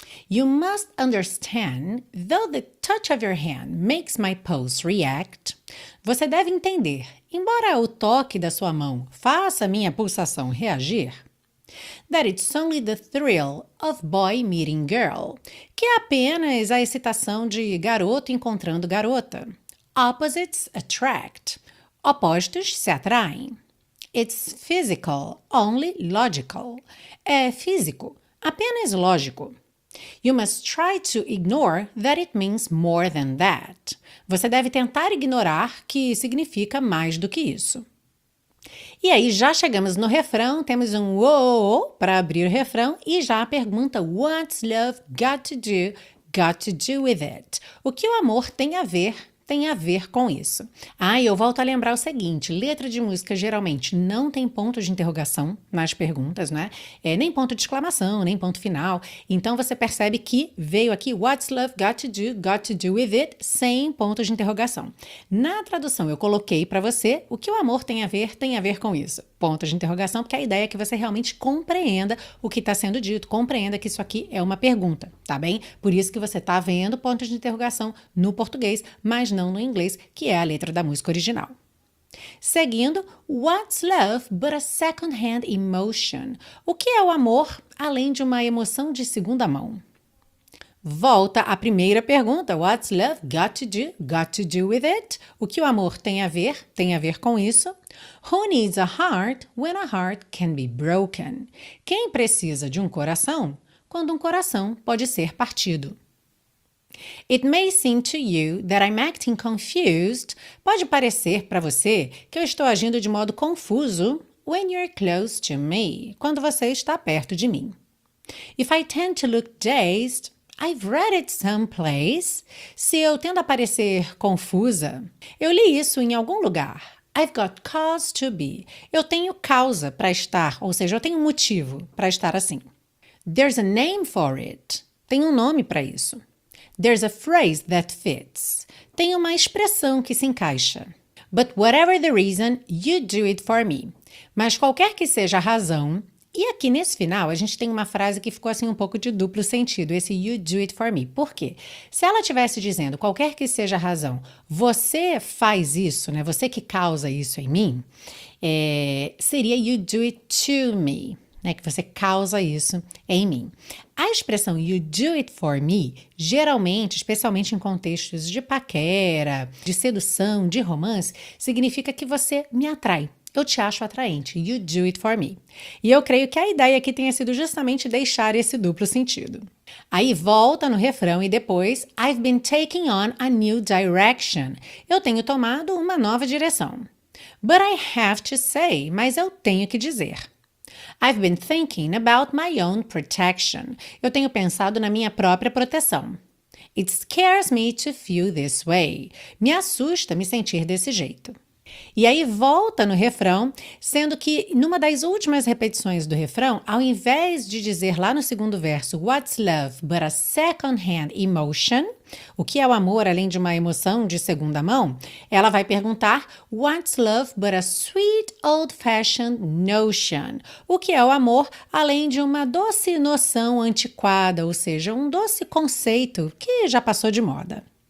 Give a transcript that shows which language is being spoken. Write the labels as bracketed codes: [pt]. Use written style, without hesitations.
[en] You must understand, though the touch of your hand makes my pulse react. [pt] Você deve entender, embora o toque da sua mão faça minha pulsação reagir, [en] that it's only the thrill of boy meeting girl, [pt] que é apenas a excitação de garoto encontrando garota. [en] Opposites attract, [pt] opostos se atraem. [en] It's physical, only logical. [pt] É físico, apenas lógico. [en] You must try to ignore that it means more than that. [pt] Você deve tentar ignorar que significa mais do que isso. E aí já chegamos no refrão, temos um whoa para abrir o refrão e já a pergunta [en] What's love got to do with it? [pt] O que o amor tem a ver com isso? Ah, e eu volto a lembrar o seguinte, letra de música geralmente não tem ponto de interrogação nas perguntas, né? É, nem ponto de exclamação, nem ponto final. Então você percebe que veio aqui [en] What's love got to do with it? [pt] Sem ponto de interrogação. Na tradução eu coloquei para você o que o amor tem a ver com isso. Ponto de interrogação, porque a ideia é que você realmente compreenda o que está sendo dito, compreenda que isso aqui é uma pergunta, tá bem? Por isso que você está vendo ponto de interrogação no português, mas não no inglês, que é a letra da música original. [en] Seguindo, what's love but a second-hand emotion? [pt] O que é o amor além de uma emoção de segunda mão? Volta à primeira pergunta, [en] what's love got to do with it? [pt] O que o amor tem a ver com isso? [en] Who needs a heart when a heart can be broken? [pt] Quem precisa de um coração quando um coração pode ser partido? [en] It may seem to you that I'm acting confused. [pt] Pode parecer para você que eu estou agindo de modo confuso [en] when you're close to me, [pt] quando você está perto de mim. [en] If I tend to look dazed, I've read it someplace. [pt] Se eu tendo a parecer confusa, eu li isso em algum lugar. [en] I've got cause to be. [pt] Eu tenho causa para estar, ou seja, eu tenho motivo para estar assim. [en] There's a name for it. [pt] Tem um nome para isso. [en] There's a phrase that fits. [pt] tem uma expressão que se encaixa. [en] But whatever the reason, you do it for me. [pt] Mas qualquer que seja a razão, e aqui nesse final a gente tem uma frase que ficou assim um pouco de duplo sentido, esse [en] you do it for me. [pt] Por quê? Se ela estivesse dizendo, qualquer que seja a razão, você faz isso, né? Você que causa isso em mim, seria [en] you do it to me, [pt] né? Que você causa isso em mim. A expressão [en] you do it for me, [pt] geralmente, especialmente em contextos de paquera, de sedução, de romance, significa que você me atrai. Eu te acho atraente. [en] You do it for me. [pt] E eu creio que a ideia aqui tenha sido justamente deixar esse duplo sentido. Aí volta no refrão e depois, [en] I've been taking on a new direction. [pt] Eu tenho tomado uma nova direção. [en] But I have to say, [pt] mas eu tenho que dizer. [en] I've been thinking about my own protection. [pt] Eu tenho pensado na minha própria proteção. [en] It scares me to feel this way. [pt] Me assusta me sentir desse jeito. E aí volta no refrão, sendo que numa das últimas repetições do refrão, ao invés de dizer lá no segundo verso, [en] what's love but a second-hand emotion, [pt] o que é o amor além de uma emoção de segunda mão, ela vai perguntar, [en] what's love but a sweet old-fashioned notion, [pt] o que é o amor além de uma doce noção antiquada, ou seja, um doce conceito que já passou de moda.